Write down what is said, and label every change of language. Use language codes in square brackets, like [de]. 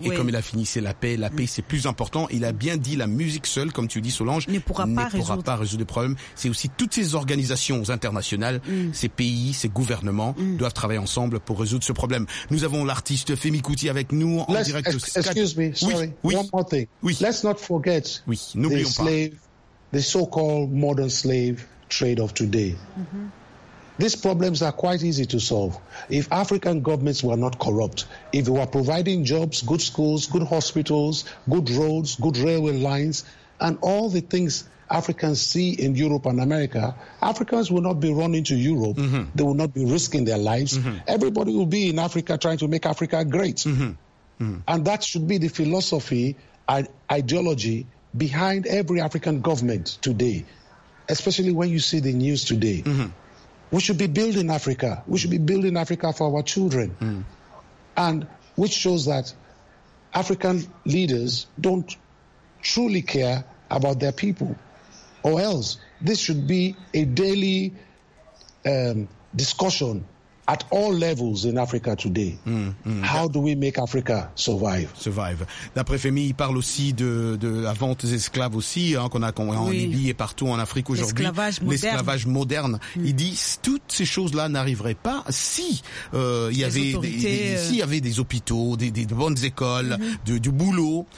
[fr] Ouais. Et comme il a fini, c'est la paix. La paix, c'est plus important. Il a bien dit, la musique seule, comme tu dis, Solange, ne pourra pas résoudre les problèmes. C'est aussi toutes ces organisations internationales, ces pays, ces gouvernements doivent travailler ensemble pour résoudre ce problème. Nous avons l'artiste Femi Kuti avec nous en direct. [en] One more thing. [fr] Oui. [en] Let's not forget. [fr] Oui, n'oublions pas. [en] The so-called modern slave trade of today. These problems are quite easy to solve. If African governments were not corrupt, if they were providing jobs, good schools, good hospitals, good roads, good railway lines, and all the things Africans see in Europe and America, Africans will not be running to Europe. They will not be risking their lives. Everybody will be in Africa trying to make Africa great. And that should be the philosophy and ideology behind every African government today, especially when you see the news today. We should be building Africa. We should be building Africa for our children. And which shows that African leaders don't truly care about their people. Or else, this should be a daily discussion at all levels in Africa today. How do we make Africa survive? Survive. [fr] D'après Femi, il parle aussi de la vente des esclaves aussi, hein, qu'on a en Libye et partout en Afrique aujourd'hui. L'esclavage moderne. L'esclavage moderne. Il dit toutes ces choses-là n'arriveraient pas si il y avait s'il y avait des hôpitaux, des bonnes écoles, du boulot.